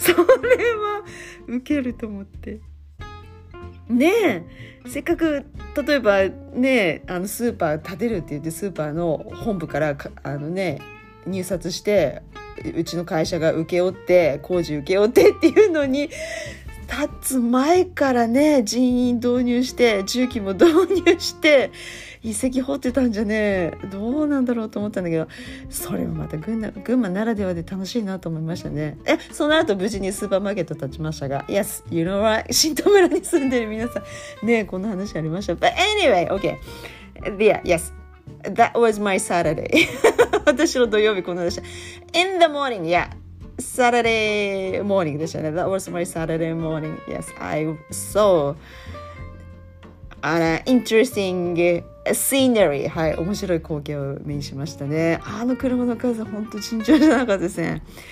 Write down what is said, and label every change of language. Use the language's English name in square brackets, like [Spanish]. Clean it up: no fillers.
[Japanese] それはウケると思ってね、えせっかく例えばね、あのスーパー建てるって言ってスーパーの本部からかあのね入札してうちの会社が請け負って工事請け負ってっていうのに、立つ前からね人員導入して重機も導入して遺跡掘ってたんじゃねえ、どうなんだろうと思ったんだけど、それもまた群馬ならではで楽しいなと思いましたね。え、その後無事にスーパーマーケット立ちましたが、 [English] Yes, you know what? [Japanese] 新都村に住んでる皆さんね、こんな話ありました。 [English] But anyway, OK, yeah, yes, that was my Saturday. [Japanese] 私の土曜日こんなでした。 [English] In the morning, yeahSaturday morning [Japanese] でしたね。 [English] That was my Saturday morning. Yes, I saw an interesting scenery. [Japanese] はい、面白い光景を目にしましたね。あの車の数、本当尋常じゃなかったですね。